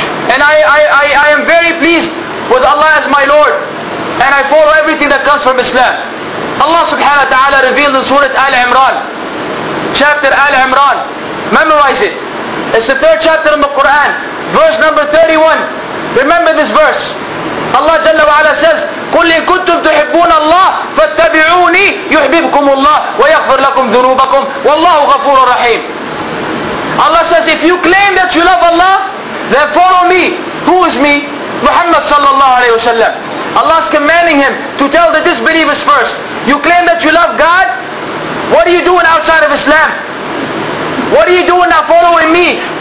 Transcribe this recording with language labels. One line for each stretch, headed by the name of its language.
English: And I am very pleased with Allah as my Lord. And I follow everything that comes from Islam. Allah subhanahu wa ta'ala revealed in Surah Al-Imran. Chapter Al-Imran. Memorize it. It's the third chapter in the Quran. Verse number 31. Remember this verse. Allah Jalla wa Ala says,
Arabic: قُلْ إِن كُنْتُمْ تُحِبُّونَ اللَّهِ فَاتَّبِعُونِي يُحْبِبْكُمُ اللَّهِ وَيَغْفِرْ لَكُمْ ذُنُوبَكُمْ وَاللَّهُ غَفُورٌ رَحِيمٌ.
English: Allah says, if you claim that you love Allah, then follow me. Who is me? Muhammad sallallahu alayhi wa sallam. Allah is commanding him to tell the disbelievers first. You claim that you love God? What are you doing outside of Islam? What are you doing now following me?